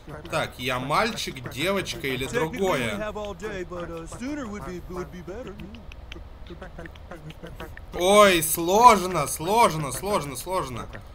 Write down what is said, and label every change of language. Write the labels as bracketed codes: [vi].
[ru] Так, я мальчик, девочка или другое? [en] We have all day, but sooner would be better. [ru] Ой, сложно, сложно, сложно, сложно.